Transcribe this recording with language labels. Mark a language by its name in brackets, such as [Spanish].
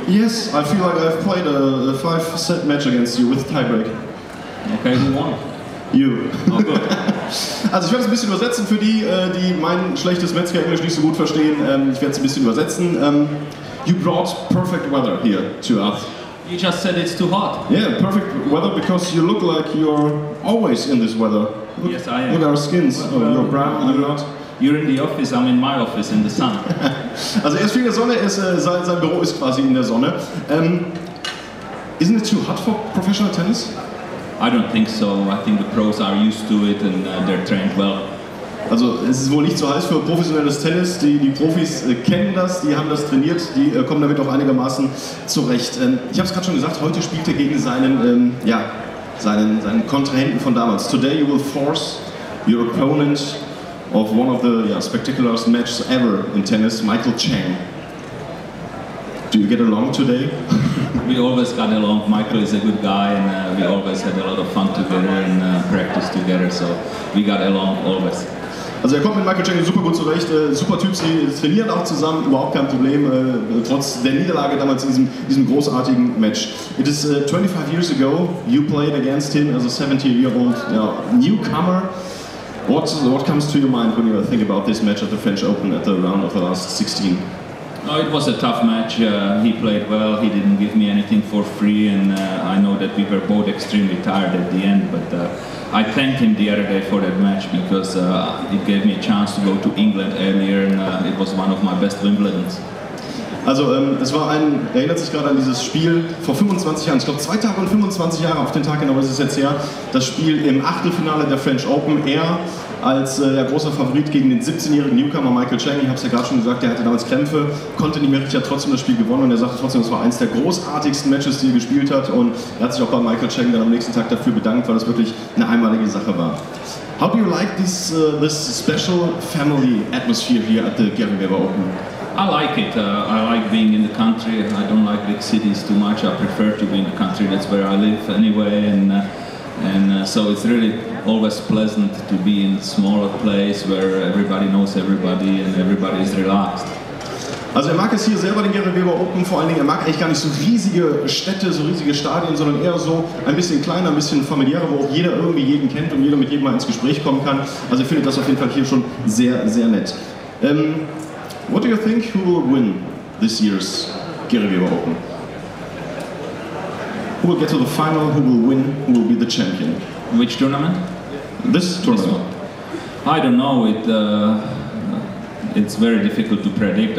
[English] Yes, I feel like I've played a 5-set match against you with tiebreak. Okay, who won? You. Oh, good. [German] Also ich werde es ein bisschen übersetzen für die, die mein schlechtes Metzger-Englisch nicht so gut verstehen. Ich werde es ein bisschen übersetzen. [English] You brought perfect weather here to us. You just said it's too hot. Yeah, perfect weather because you look like you're always in this weather. Look, yes, I am. Look at our skins. Well, you're brown, I'm not. You're in the office, I'm in my office, in the sun. [German] Also er ist viel in der Sonne, sein Büro ist quasi in der Sonne. [English] Isn't it too hot for professional tennis? I don't think so. I think the pros are used to it and they're trained well. [German] Also es ist wohl nicht so heiß für professionelles Tennis. Die Profis kennen das, die haben das trainiert, die kommen damit auch einigermaßen zurecht. Ich habe es gerade schon gesagt, heute spielt er gegen seinen Kontrahenten von damals. [English] Today you will force your opponent of one of the spectacularest matches ever in tennis, Michael Chang. Do you get along today? We always got along. Michael is a good guy and we always had a lot of fun together and practice together, so we got along always. [German] Also er kommt mit Michael Chang super gut zurecht, super Typ, sie trainieren auch zusammen, überhaupt kein Problem, trotz der Niederlage damals in diesem großartigen Match. [English] It is 25 years ago, you played against him as a 17-year-old newcomer. What comes to your mind when you think about this match at the French Open at the round of the last 16? No, it was a tough match. He played well. He didn't give me anything for free. And I know that we were both extremely tired at the end. But I thanked him the other day for that match because it gave me a chance to go to England earlier. And it was one of my best Wimbledons. [German] Also es war erinnert sich gerade an dieses Spiel vor 25 Jahren, ich glaube 2 Tage und 25 Jahre auf den Tag genau ist es jetzt her, das Spiel im Achtelfinale der French Open, er als großer Favorit gegen den 17-jährigen Newcomer Michael Chang, ich habe es ja gerade schon gesagt, der hatte damals Krämpfe, konnte nicht mehr, hat trotzdem das Spiel gewonnen und er sagte trotzdem, es war eines der großartigsten Matches, die er gespielt hat und er hat sich auch bei Michael Chang dann am nächsten Tag dafür bedankt, weil das wirklich eine einmalige Sache war. [English] How do you like this special family atmosphere here at the Gary Weber Open? I like it. I like being in the country. I don't like big cities too much. I prefer to be in the country. That's where I live anyway. And so it's really always pleasant to be in a smaller place where everybody knows everybody and everybody is relaxed. [German] Also er mag es hier selber, den Gary Weber Open, vor allen Dingen, er mag eigentlich gar nicht so riesige Städte, so riesige Stadien, sondern eher so ein bisschen kleiner, ein bisschen familiärer, wo auch jeder irgendwie jeden kennt und jeder mit jedem mal ins Gespräch kommen kann. Also ich finde das auf jeden Fall hier schon sehr, sehr nett. [English] What do you think, who will win this year's Gary Weber Open? Who will get to the final, who will win, who will be the champion? Which tournament? This tournament. This one. I don't know, it's very difficult to predict.